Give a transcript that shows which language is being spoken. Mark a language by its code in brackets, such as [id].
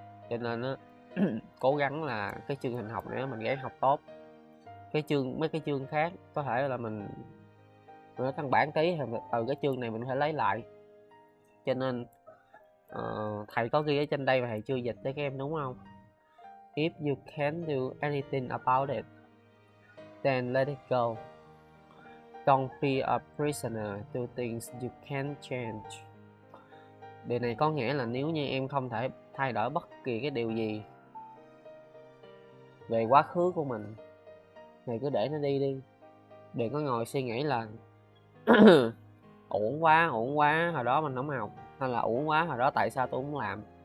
[vi] Cho nên cố gắng là cái chương hình học này mình gắng học tốt. Mấy cái chương khác có thể là mình căn bản tí, từ cái chương này mình phải lấy lại. Cho nên thầy có ghi ở trên đây mà thầy chưa dịch cho các em đúng không? [en] If you can do anything about it, then let it go. Don't be a prisoner to things you can't change. [vi] Điều này có nghĩa là nếu như em không thể thay đổi bất kỳ cái điều gì về quá khứ của mình thì cứ để nó đi đi, đừng có ngồi suy nghĩ là uổng quá hồi đó mình không học, hay là uổng quá hồi đó tại sao tôi không làm.